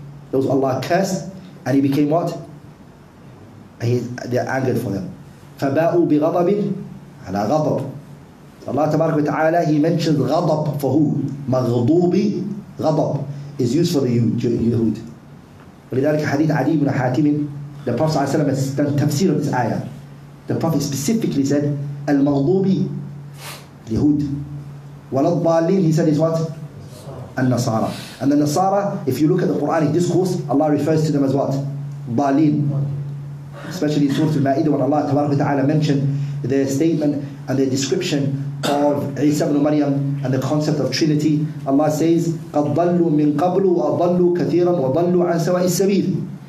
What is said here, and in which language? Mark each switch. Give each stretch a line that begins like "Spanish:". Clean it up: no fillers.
English: Those Allah cursed, and he became what? And they're angered for them.
Arabic: فَبَاءُوا بِغَضَبٍ عَلَى غَضَبٍ.
English: Allah تبارك وتعالى, he mentions غضب for who? مغضوب غضب is used for the Yahud.
Arabic: ولذلك حديث عدي بن حاتم,
English: the Prophet صلى الله عليه وسلم has done tafsir of this ayah. The Prophet specifically said, Al-Maghdubi, Yahud. Wal-Dhalin, he said, is what? Al-Nasara. And the Nasara, if you look at the Quranic discourse, Allah refers to them as what? Dhalin. Especially in Surah Al-Ma'idah, when Allah Tabaraka wa Ta'ala mentioned their statement and their description of Isa ibn Maryam and the concept of Trinity, Allah says,
Arabic: قَدْ ضَلُّوا مِنْ قَبْلُ وَضَلُّوا كَثِيرًا وَضَلُّوا عَنْ سَوَئِ السَّبِيلِ.